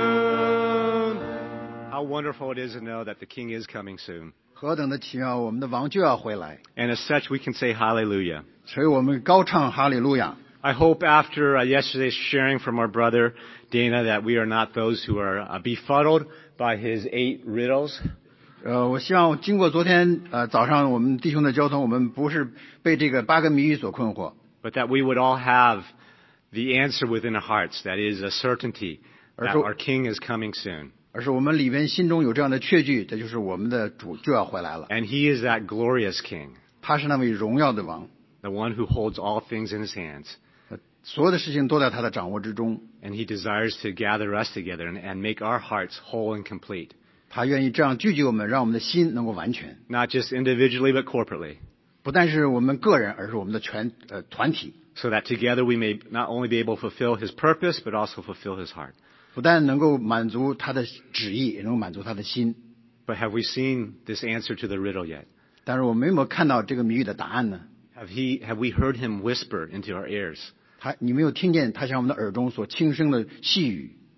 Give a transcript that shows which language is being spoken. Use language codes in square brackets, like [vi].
[en] How wonderful it is to know that the King is coming soon. [zh] 何等的奇妙, 我们的王就要回来。 [en] And as such, we can say hallelujah. [zh] 所以我们高唱 hallelujah. [en] I hope after yesterday's sharing from our brother Dana that we are not those who are befuddled by his eight riddles. [zh] 我希望经过昨天 早上我们弟兄的交通, 我们不是被这个八个谜语所困惑。 [en] But that we would all have the answer within our hearts, that is a certainty that our King is coming soon. [zh] 而是我们里边心中有这样的确据, 这就是我们的主就要回来了。 [en] And he is that glorious king. [zh] 他是那位荣耀的王。 [en] The one who holds all things in his hands. [zh] 所有的事情都在他的掌握之中。 [en] And he desires to gather us together and make our hearts whole and complete. [zh] 他愿意这样聚集我们, 让我们的心能够完全。 [en] Not just individually, but corporately. [zh] 不但是我们个人, 而是我们的全, 团体。 [en] So that together we may not only be able to fulfill his purpose, but also fulfill his heart. [zh] 不但能够满足他的旨意, [en] but have we seen this answer to the riddle yet? Have we heard him whisper into our ears? [zh] 你没有听见他向我们的耳中所轻声的细语,